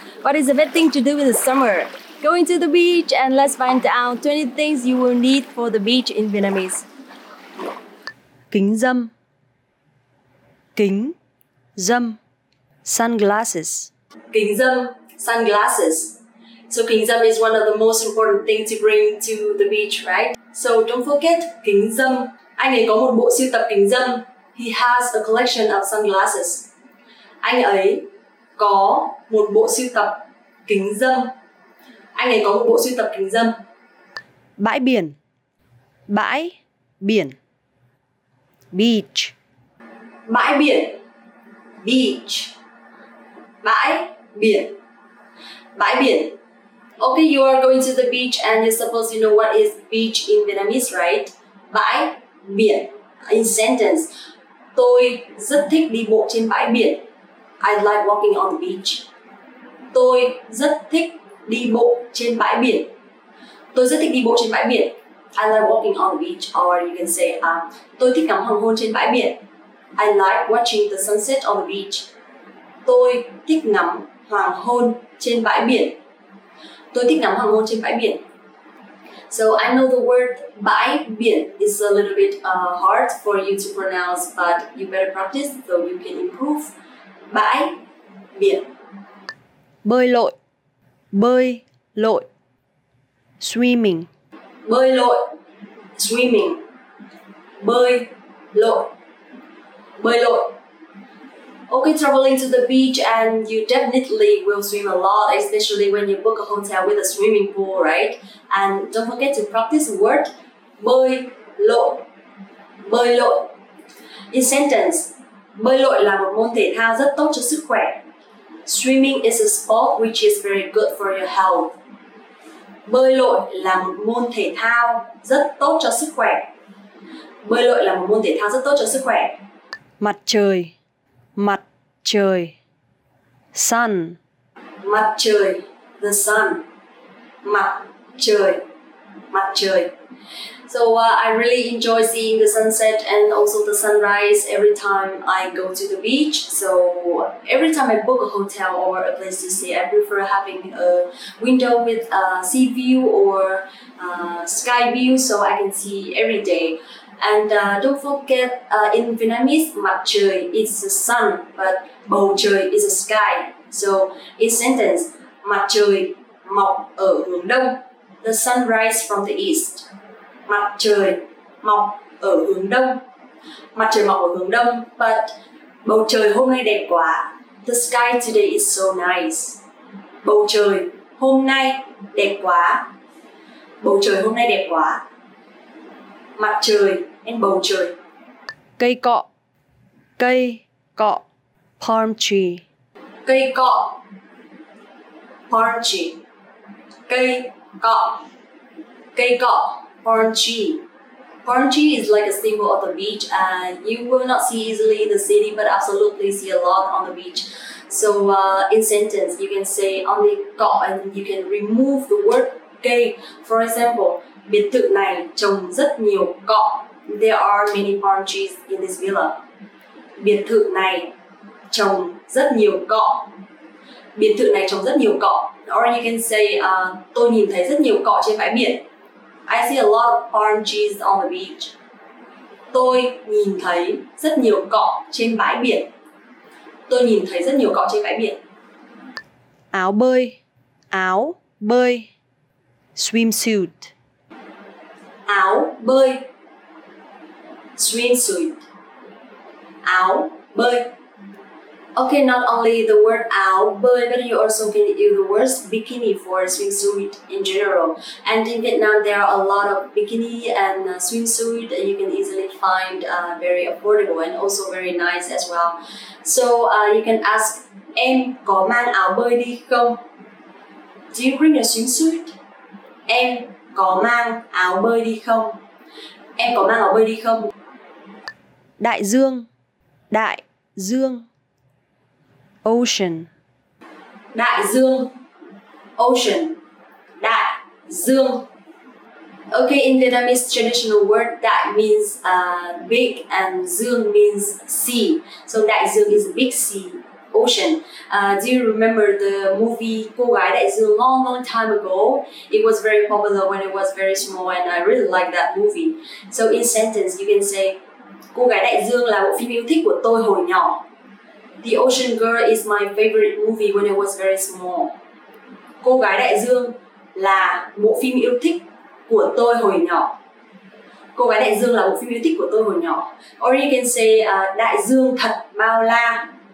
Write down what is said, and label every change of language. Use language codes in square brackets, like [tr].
[en] What is the best thing to do in the summer? Going to the beach, and let's find out 20 things you will need for the beach in Vietnamese. [vi] Kính râm. Kính râm. [en] Sunglasses. [vi] Kính râm, sunglasses. [en] So kính râm is one of the most important things to bring to the beach, right? So don't forget kính râm. [vi] Anh ấy có một bộ sưu tập kính râm. [en] He has a collection of sunglasses. [vi] Anh ấy có một bộ sưu tập kính râm. Anh ấy có một bộ sưu tập kính râm. Bãi biển. Bãi biển. Beach. Bãi biển. Beach. Bãi biển. Bãi biển. [en] Okay, you are going to the beach and you're supposed to know what is beach in Vietnamese, right? [vi] Bãi biển. [en] In sentence, [vi] tôi rất thích đi bộ trên bãi biển. [en] I like walking on the beach. [vi] Tôi rất thích đi bộ trên bãi biển. Tôi rất thích đi bộ trên bãi biển. [en] I like walking on the beach. Or you can say, [vi] tôi thích ngắm hoàng hôn trên bãi biển. [en] I like watching the sunset on the beach. [vi] Tôi thích ngắm hoàng hôn trên bãi biển. Tôi thích ngắm hoàng hôn trên bãi biển. [en] So I know the word bãi biển is a little bit hard for you to pronounce, but you better practice so you can improve. [vi] Bãi biển. Bơi lội. Bơi lội. Swimming. Bơi lội. Swimming. Bơi lội. Bơi lội. [en] Okay, traveling to the beach and you definitely will swim a lot, especially when you book a hotel with a swimming pool, right? And don't forget to practice the word bơi lội. [vi] Bơi lội. [en] In sentence, [vi] bơi lội là một môn thể thao rất tốt cho sức khỏe. [en] Swimming is a sport which is very good for your health. [vi] Bơi lội là một môn thể thao rất tốt cho sức khỏe. Bơi lội là một môn thể thao rất tốt cho sức khỏe. Mặt trời. Mặt trời. Sun. Mặt trời. The sun. Mặt trời. Mặt trời. [en] So I really enjoy seeing the sunset and also the sunrise every time I go to the beach. So every time I book a hotel or a place to stay, I prefer having a window with a sea view or sky view so I can see every day. And don't forget, in Vietnamese, mặt trời is the sun, but bầu trời is the sky. So in sentence, [vi] mặt trời mọc ở hướng đông, [en] the sun rises from the east. [vi] Mặt trời mọc ở hướng đông. Mặt trời mọc ở hướng đông, but bầu trời hôm nay đẹp quá. [en] The sky today is so nice. [vi] Bầu trời hôm nay đẹp quá. Bầu trời hôm nay đẹp quá. Mặt trời and bầu trời. Cây cọ. Cây cọ. Palm tree. Cây cọ. Palm tree. Cây cọ. Cây cọ. Palm tree. [en] Palm tree is like a symbol of the beach and you will not see easily in the city but absolutely see a lot on the beach. So in sentence you can say only cọ and you can remove the word cây. For example, [vi] biệt thự này trồng rất nhiều cọ. [en] There are many palm trees in this villa. [vi] Biệt thự này trồng rất nhiều cọ. Biệt thự này trồng rất nhiều cọ. [en] Or you can say [vi] tôi nhìn thấy rất nhiều cọ trên bãi biển. [en] I see a lot of palm trees on the beach. [vi] Tôi nhìn thấy rất nhiều cọ trên bãi biển. Tôi nhìn thấy rất nhiều cọ trên bãi biển. Áo bơi. Áo bơi. Swimsuit. Áo bơi. Swimsuit. Áo bơi. [en] Okay, not only the word áo bơi, but you also can use the words bikini for swimsuit in general. And in Vietnam, there are a lot of bikini and swimsuit that you can easily find very affordable and also very nice as well. So you can ask, [vi] em có mang áo bơi đi không? [en] Do you bring a swimsuit? [vi] Em có mang áo bơi đi không? Em có mang áo bơi đi không? Đại dương. Đại dương. Ocean. Đại dương. Ocean. Đại dương. [en] Okay, in Vietnamese traditional word, that means big and dương means sea. So đại dương is a big sea. ocean. Do you remember the movie Cô Gái Đại Dương? Long, long time ago, it was very popular when it was very small, and I really like that movie. So in sentence, you can say, [vi] Cô Gái Đại Dương là bộ phim yêu thích của tôi hồi nhỏ. [en] The Ocean Girl is my favorite movie when it was very small. [vi] Cô Gái Đại Dương là bộ phim yêu thích của tôi hồi nhỏ. Cô Gái Đại Dương là bộ phim yêu thích của tôi hồi nhỏ. [en] Or you can say, [vi] Đại Dương thật bao la.